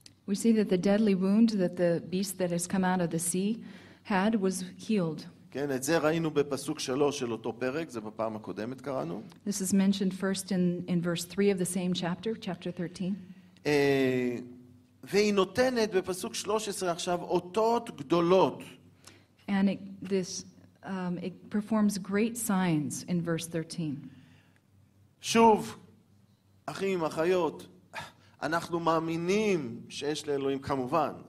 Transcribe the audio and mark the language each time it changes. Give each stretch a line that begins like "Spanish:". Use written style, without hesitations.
English: We see that the deadly wound that the beast that has come out of the sea had was healed.
Hebrew: כן, את זה ראינו בפסוק 3 של אותו פרק, זה בפעם הקודמת קראנו.
English: This is mentioned first in verse 3 of the same chapter, chapter 13.
Hebrew: והיא נותנת בפסוק 13 עכשיו אותות גדולות.
English: And it performs great signs in verse 13.
Hebrew: שוב, אחים, אחיות, אנחנו מאמינים שיש לאלוהים כמובן.